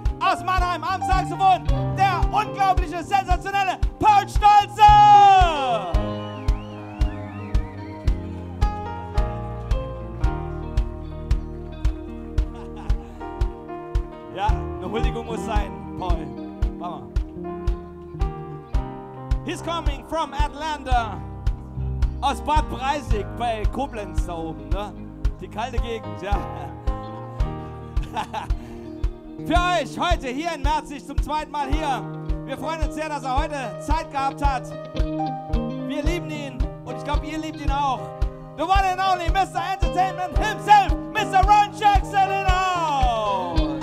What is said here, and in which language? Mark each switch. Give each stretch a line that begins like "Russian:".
German: Aus Mannheim am Saxophon, der unglaubliche, sensationelle Paul Stolze! Ja, eine Huldigung muss sein, Paul. Mach mal.
English: He's coming from Atlanta.
German: Aus Bad Breisig bei Koblenz da oben, ne? Die kalte Gegend, ja. Für euch heute hier in Merzig zum zweiten Mal hier. Wir freuen uns sehr, dass er heute Zeit gehabt hat. Wir lieben ihn und ich glaube, ihr liebt ihn auch.
English: The one and only Mr. Entertainment himself, Mr. Ron Jackson in the house.